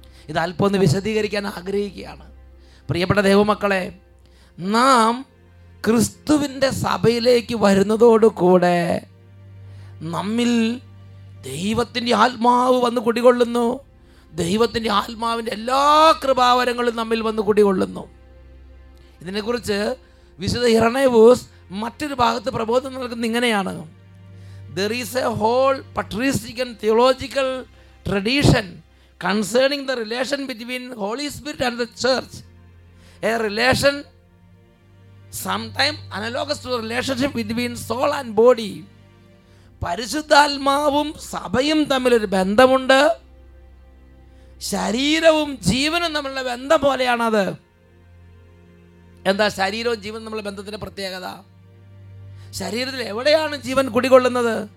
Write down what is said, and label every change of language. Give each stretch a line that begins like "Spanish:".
Malayalam: ഇത് അല്പം ഒന്ന് വിശദീകരിക്കാൻ ആഗ്രഹിക്കുകയാണ്. പ്രിയപ്പെട്ട ദൈവമക്കളെ, നാം ക്രിസ്തുവിൻ്റെ സഭയിലേക്ക് വരുന്നതോടുകൂടെ നമ്മിൽ ദൈവത്തിൻ്റെ ആത്മാവ് വന്ന് കുടികൊള്ളുന്നു. ദൈവത്തിൻ്റെ ആത്മാവിൻ്റെ എല്ലാ കൃപാവരങ്ങളും നമ്മിൽ വന്ന് കുടികൊള്ളുന്നു. ഇതിനെക്കുറിച്ച് വിശുദ്ധ ഇറനേവൂസ് മറ്റൊരു ഭാഗത്ത് പ്രബോധനം നൽകുന്നത് ഇങ്ങനെയാണ്.
English: There is a whole patristic theological tradition concerning the relation between Holy Spirit and the Church. A relation sometime analogous to the relationship between soul and body.
Malayalam: പരിശുദ്ധാത്മാവും സഭയും തമ്മിലൊരു ബന്ധമുണ്ട്. ശരീരവും ജീവനും തമ്മിലുള്ള ബന്ധം പോലെയാണത്. എന്താ ശരീരവും ജീവനും തമ്മിലുള്ള ബന്ധത്തിൻ്റെ പ്രത്യേകത? ശരീരത്തിൽ എവിടെയാണ് ജീവൻ കുടികൊള്ളുന്നത്?